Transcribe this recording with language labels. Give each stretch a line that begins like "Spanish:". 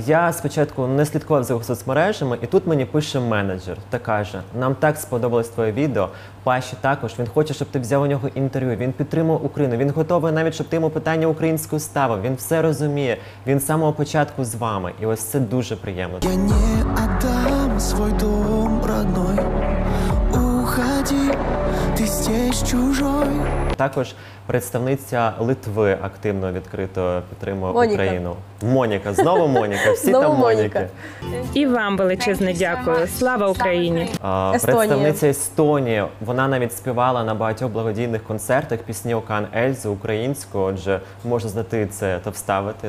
Ukrainian: Я спочатку не слідкував за його соцмережами, і тут мені пише менеджер та каже: нам так сподобалось твоє відео, Паші також, він хоче, щоб ти взяв у нього інтерв'ю, він підтримує Україну, він готовий навіть, щоб ти йому питання українською ставив, він все розуміє, він з самого початку з вами, і ось це дуже приємно.
Russian: Я не отдам свой дом родной, уходи, ти здесь чужой.
Ukrainian: Також представниця Литви активно, відкрито підтримує Моніка. Україну. Моніка, знову Моніка, всі знову там Моніки. І вам величезне дякую. Слава Україні! Естонія. Представниця Естонії, вона навіть співала на багатьох благодійних концертах пісні «Окан Ельзи» українською, отже, можна знати це та вставити.